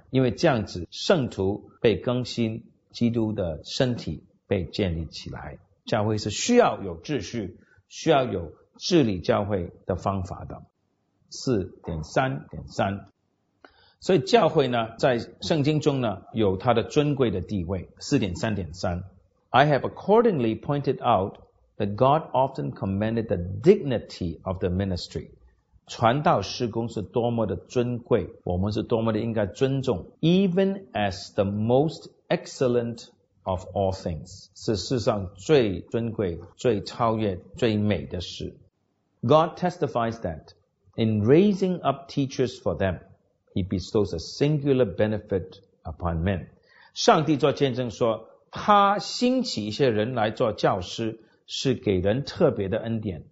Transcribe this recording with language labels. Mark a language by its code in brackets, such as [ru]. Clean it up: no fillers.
[zh] 因为这样子圣徒被更新，基督的身体被建立起来，教会是需要有秩序，需要有治理教会的方法的。 4.3.3， 所以教会呢，在圣经中呢，有它的尊贵的地位。 4.3.3， [en] I have accordingly pointed out that God often commended the dignity of the ministry， [zh] 传道事工是多么的尊贵，我们是多么的应该尊重。 [en] Even as the most excellent of all things， [zh] 是世上最尊贵、最超越、最美的事。 [en] God testifies that in raising up teachers for them， He bestows a singular benefit upon men， [zh] 上帝做见证说，他兴起一些人来做教师，是给人特别的恩典。